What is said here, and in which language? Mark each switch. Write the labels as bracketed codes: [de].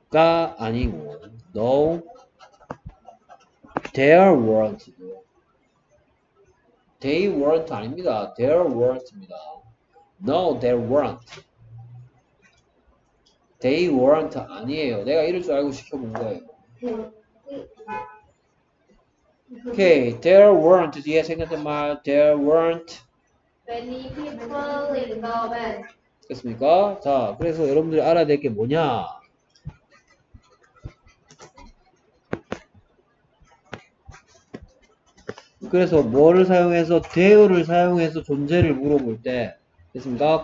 [ko] 가 아니고. [en] No, there weren't. They weren't [ko] 아닙니다. [en] There weren't입니다. No, there weren't. They weren't [ko] 아니에요. 내가 이럴 줄 알고 시켜본 거예요. [en] Okay, there weren't [ko] 뒤에 생각된 말, [en] there weren't many people in the bed. [ko] 됐습니까? 자, 그래서 여러분들이 알아야 될 게 뭐냐? 그래서 뭐를 사용해서, there를 사용해서 존재를 물어볼 때, 됐습니까?